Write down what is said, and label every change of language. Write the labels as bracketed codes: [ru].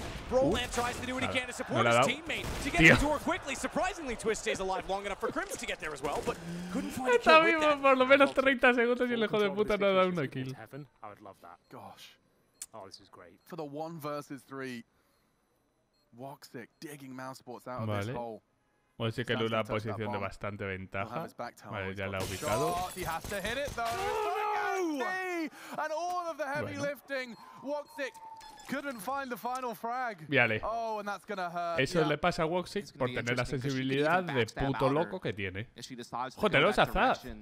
[en] Roland tries to do what he can to support his teammate to get the door quickly. Surprisingly, Twist stays alive long enough for Crims to get there as well, but couldn't find a kill with that. [es] Está vivo por lo menos 30 segundos y el hijo de puta no ha dado una kill. Heaven, [en] I would love that. Gosh, oh, this is great for the 1v3. Woxic digging mouse sports out of this hole. [es] Pues sí que Lula en posición de bastante ventaja. Vale, ya la ha ubicado. [en] Oh, no. [es] Bueno. Vale. Eso le pasa a Woxic por tener la sensibilidad de puto loco que tiene. Joder, los azar.